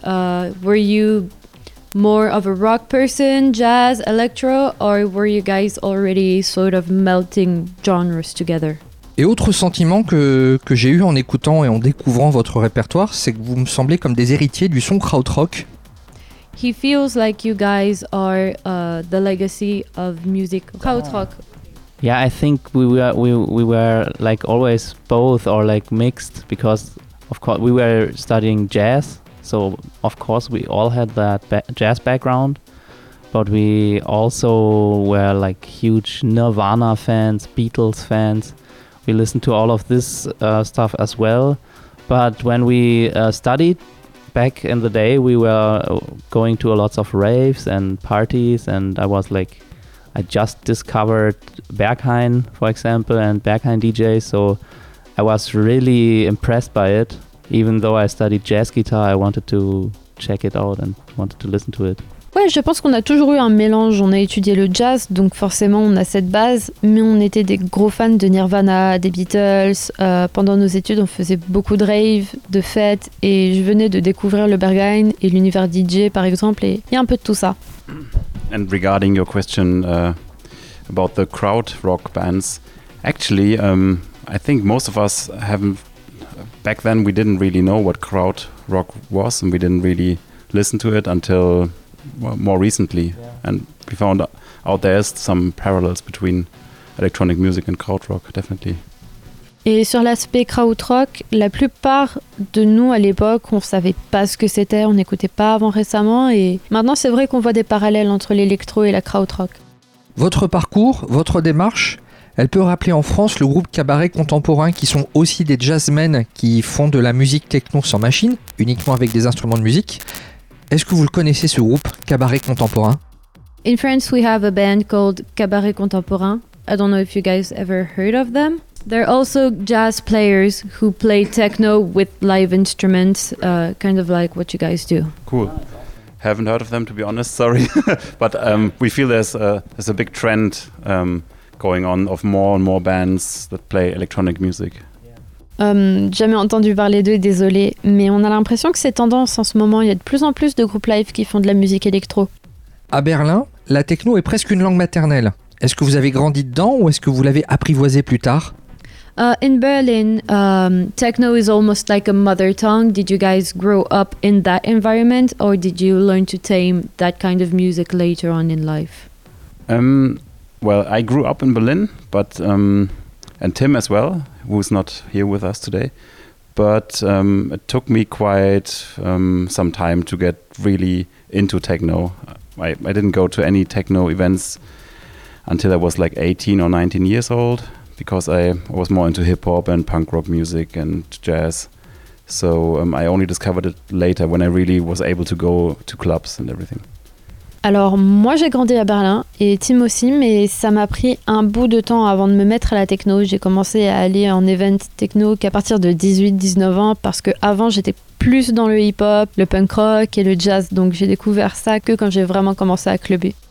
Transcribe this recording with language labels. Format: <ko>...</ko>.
<en>Were you more of a rock person, jazz, electro, or were you guys already sort of melting genres together?</en> <fr>Et autre sentiment que j'ai eu en écoutant et en découvrant votre répertoire, c'est que vous me semblez comme des héritiers du son krautrock.</fr> <en>He feels like you guys are the legacy of music krautrock. Yeah, I think we were like always both or like mixed, because of course we were studying jazz, so of course we all had that jazz background, but we also were like huge Nirvana fans, Beatles fans. We listened to all of this stuff as well, but when we studied back in the day, we were going to a lots of raves and parties, and I was like, I just discovered Berghain, for example, and Berghain DJ, so I was really impressed by it. Even though I studied jazz guitar, I wanted to check it out and wanted to listen to it.</en> <fr>Ouais, je pense qu'on a toujours eu un mélange. On a étudié le jazz, donc forcément on a cette base, mais on était des gros fans de Nirvana, des Beatles. Pendant nos études, on faisait beaucoup de raves, de fêtes, et je venais de découvrir le Berghain et l'univers DJ par exemple, et il y a un peu de tout ça.</fr> <en>And regarding your question about the crowd rock bands, actually, I think most of us haven't, back then we didn't really know what crowd rock was, and we didn't really listen to it until more recently, yeah. And we found out there's some parallels between electronic music and krautrock, definitely.</en> <fr>Et sur l'aspect krautrock, la plupart de nous à l'époque, on savait pas ce que c'était, on n'écoutait pas avant récemment, et maintenant c'est vrai qu'on voit des parallèles entre l'électro et la krautrock. Votre parcours, votre démarche, elle peut rappeler en France le groupe Cabaret Contemporain, qui sont aussi des jazzmen qui font de la musique techno sans machine, uniquement avec des instruments de musique. Est-ce que vous le connaissez, ce groupe, Cabaret Contemporain?</fr> <en>In France, we have a band called Cabaret Contemporain. I don't know if you guys ever heard of them. They're also jazz players who play techno with live instruments, kind of like what you guys do. Cool. Haven't heard of them, to be honest, sorry. But we feel there's a big trend going on of more and more bands that play electronic music.</en> <fr>Jamais entendu parler d'eux, désolé, mais on a l'impression que c'est tendance en ce moment, il y a de plus en plus de groupes live qui font de la musique électro. À Berlin, la techno est presque une langue maternelle. Est-ce que vous avez grandi dedans ou est-ce que vous l'avez apprivoisé plus tard?</fr> <en>In Berlin, techno is almost like a mother tongue. Did you guys grow up in that environment or did you learn to tame that kind of music later on in life? Well, I grew up in Berlin, but and Tim as well, who's not here with us today, but it took me quite some time to get really into techno. I didn't go to any techno events until I was like 18 or 19 years old, because I was more into hip-hop and punk rock music and jazz. So I only discovered it later when I really was able to go to clubs and everything.</en> <fr>Alors moi j'ai grandi à Berlin et Tim aussi, mais ça m'a pris un bout de temps avant de me mettre à la techno. J'ai commencé à aller en event techno qu'à partir de 18-19 ans, parce que avant j'étais plus dans le hip-hop, le punk rock et le jazz, donc j'ai découvert ça que quand j'ai vraiment commencé à clubber.</fr>